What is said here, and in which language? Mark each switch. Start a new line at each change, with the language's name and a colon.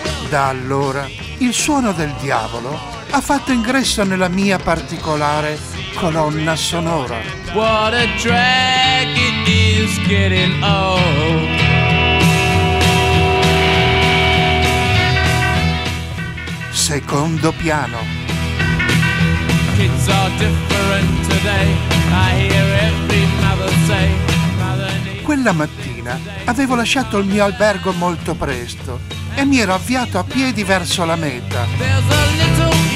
Italian: Da allora il suono del diavolo ha fatto ingresso nella mia particolare colonna sonora.
English: What a drag it is getting old.
Italian: Secondo piano.
English: Kids are different today. I hear every mother say.
Italian: Quella mattina avevo lasciato il mio albergo molto presto e mi ero avviato a piedi verso la meta.